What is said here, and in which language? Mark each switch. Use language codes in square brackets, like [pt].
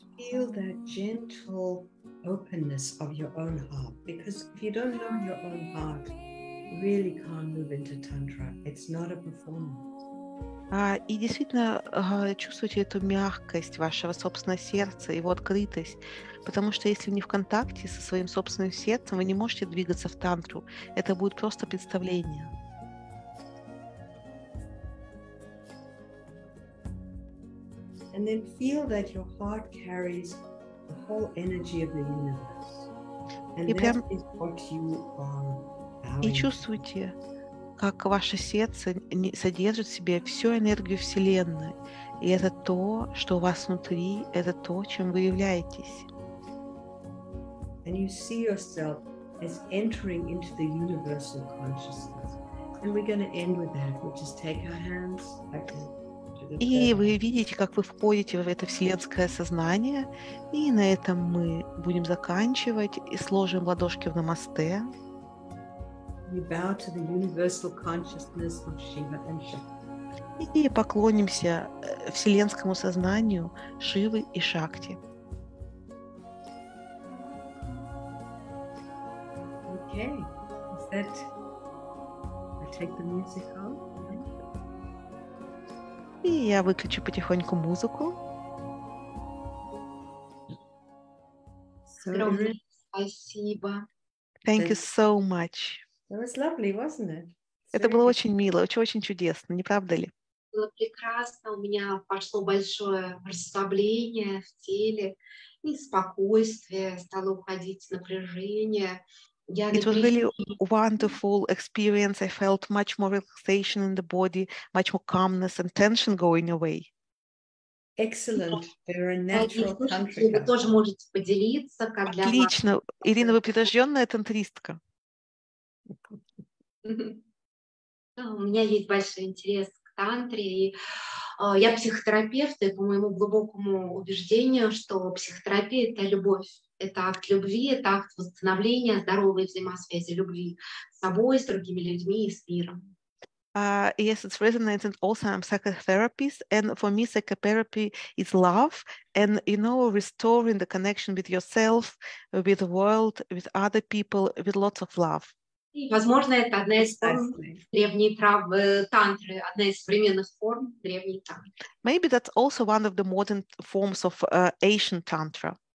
[en] Feel that gentle openness of your own heart, because if you don't know your own heart, you really can't move into tantra. It's not a performance. [ru] И действительно чувствуйте эту мягкость вашего собственного сердца, его открытость, потому что если вы не в контакте со своим собственным сердцем, вы не можете двигаться в тантру. Это будет просто представление. [en] And then feel that your heart carries the whole energy of the universe. And that is what you are bowing. [ru] И чувствуйте, как ваше сердце содержит в себе всю энергию Вселенной. И это то, что у вас внутри, это то, чем вы являетесь. И вы видите, как вы входите в это вселенское сознание, и на этом мы будем заканчивать и сложим ладошки в намасте. [en] We bow to the universal consciousness of Shiva and Shakti. [ru] И поклонимся вселенскому сознанию Шивы и Шакти. [en] Okay, is that? I take the music off. [ru] И я выключу потихоньку музыку. Огромное спасибо. [en] Thank you so much. It was lovely, wasn't it? [ru] Это было очень мило, очень чудесно, не правда ли? Было прекрасно, у меня пошло большое расслабление в теле, и спокойствие, стало уходить напряжение. [en] It was really a wonderful experience. I felt much more relaxation in the body, much more calmness and tension going away. Excellent. You're a natural tantrika. [ru] Вы тоже можете поделиться, как для вас. Отлично. Ирина, вы прирожденная тантристка. У меня есть большой интерес к тантре, и я психотерапевт, и по моему глубокому убеждению, что психотерапия — это любовь, это акт любви, это акт восстановления здоровой взаимосвязи любви с собой, с другими людьми и с миром. [en] Yes, it's resonating. Also, I'm psychotherapist, and for me, psychotherapy is love, and you know, restoring the connection with yourself, with the world, with other people, with lots of love. [ru] И, возможно, это одна из форм древней тантры, одна из современных форм древней тантры. [en] Maybe that's also one of the modern forms of Asian tantra.